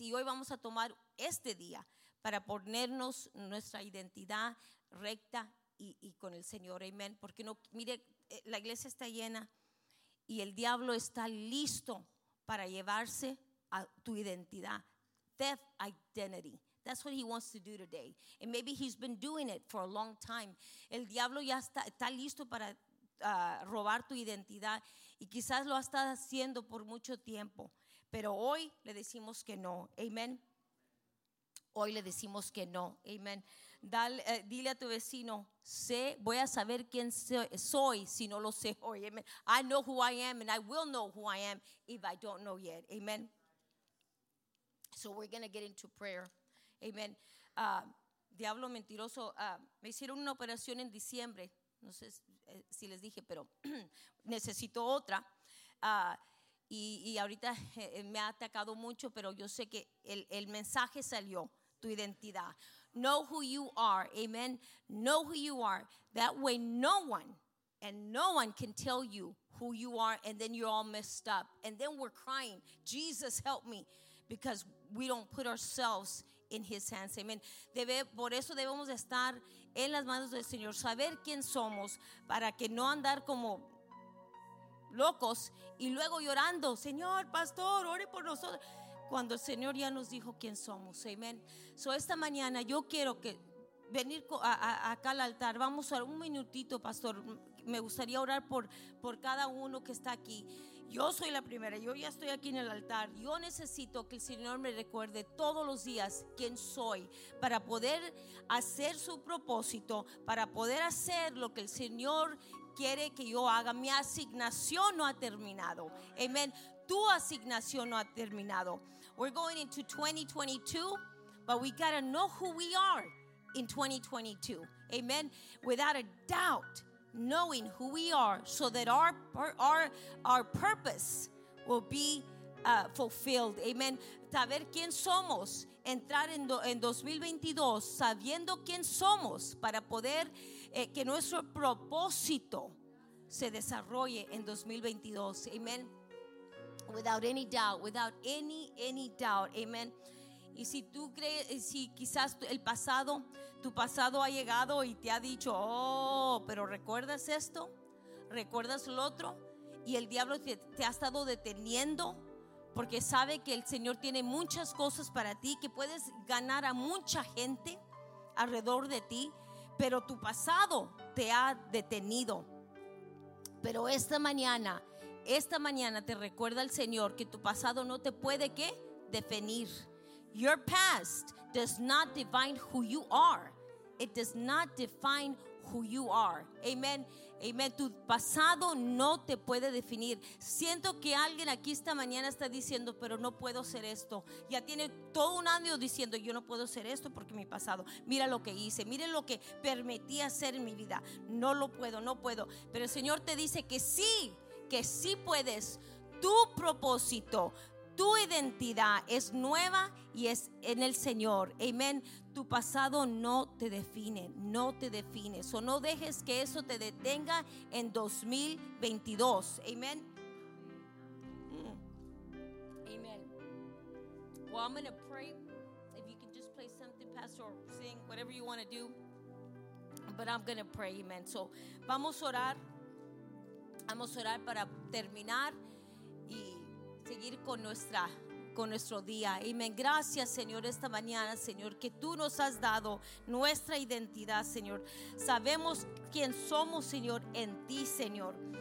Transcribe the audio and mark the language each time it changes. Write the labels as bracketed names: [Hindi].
[Spanish] Y hoy vamos a tomar este día para ponernos nuestra identidad recta y con el Señor. Amen. Porque no, mire, la iglesia está llena y el diablo está listo para llevarse a tu identidad. [English] Theft identity. That's what he wants to do today. And maybe he's been doing it for a long time. [Spanish] El diablo ya está listo para robar tu identidad. Y quizás lo ha estado haciendo por mucho tiempo. Pero hoy le decimos que no. Amen. Hoy le decimos que no. Amen. Dile a tu vecino, sé, voy a saber quién soy si no lo sé hoy. Amen. [English] I know who I am and I will know who I am if I don't know yet. Amen. So we're going to get into prayer. Amen. [Spanish] Diablo mentiroso, me hicieron una operación en diciembre. No sé si les dije, pero necesito otra. Y ahorita me ha atacado mucho, pero yo sé que el mensaje salió, tu identidad. [English] Know who you are, amen. Know who you are. That way no one can tell you who you are, and then you're all messed up. And then we're crying, Jesus, help me, because we don't put ourselves in his hands, amen. [Spanish] Por eso debemos estar en las manos del Señor, saber quién somos, para que no andar como locos y luego llorando, Señor, pastor, ore por nosotros. Cuando el Señor ya nos dijo quién somos, amén. So esta mañana yo quiero que venir acá al altar. Vamos a un minutito, pastor. Me gustaría orar por cada uno que está aquí. Yo soy la primera, yo ya estoy aquí en el altar. Yo necesito que el Señor me recuerde todos los días quién soy, para poder hacer su propósito, para poder hacer lo que el Señor quiere que yo haga. Mi asignación no ha terminado, amén. Tu asignación no ha terminado. [English] We're going into 2022, but we gotta know who we are in 2022. Amen. Without a doubt, knowing who we are, so that our purpose will be fulfilled. Amen. [Spanish] Saber quién somos, entrar en 2022 sabiendo quién somos, para poder que nuestro propósito se desarrolle en 2022. Amen. [English] Without any doubt, without any doubt, amen. [Spanish] Y si tú crees, si quizás el pasado, tu pasado ha llegado y te ha dicho, oh, pero recuerdas esto, recuerdas lo otro, y el diablo te ha estado deteniendo, porque sabe que el Señor tiene muchas cosas para ti, que puedes ganar a mucha gente alrededor de ti, pero tu pasado te ha detenido. Pero esta mañana te recuerda el Señor que tu pasado no te puede ¿qué? Definir. [English] Your past does not define who you are. It does not define who you are. Amen. Amen. [Spanish] Tu pasado no te puede definir. Siento que alguien aquí esta mañana está diciendo, pero no puedo hacer esto. Ya tiene todo un año diciendo, yo no puedo hacer esto porque mi pasado. Mira lo que hice. Mira lo que permití hacer en mi vida. No lo puedo, no puedo. Pero el Señor te dice que sí. Que sí puedes. Tu propósito, tu identidad es nueva y es en el Señor. Amén. Tu pasado no te define, no te define. O no dejes que eso te detenga en 2022. Amén. [English] Amén. Well, I'm going to pray. If you can just play something, pastor, sing, whatever you want to do. But I'm going to pray, amen. So, [Spanish] vamos a orar. Vamos a orar para terminar y seguir con nuestro día. Amén. Gracias, Señor, esta mañana, Señor, que tú nos has dado nuestra identidad, Señor. Sabemos quién somos, Señor, en ti, Señor.